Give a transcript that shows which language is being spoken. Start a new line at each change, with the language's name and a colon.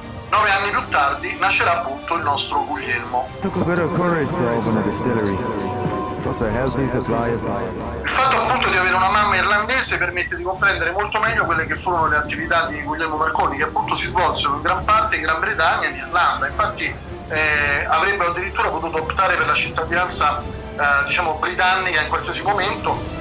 Italian: 9 anni più tardi nascerà appunto il nostro Guglielmo.
English: Took a bit of courage to open a distillery. Plus a healthy supply of beer.
Italian: Il fatto appunto di avere una mamma irlandese permette di comprendere molto meglio quelle che furono le attività di Guglielmo Marconi, che appunto si svolsero in gran parte in Gran Bretagna e in Irlanda. Infatti avrebbe addirittura potuto optare per la cittadinanza britannica in qualsiasi momento.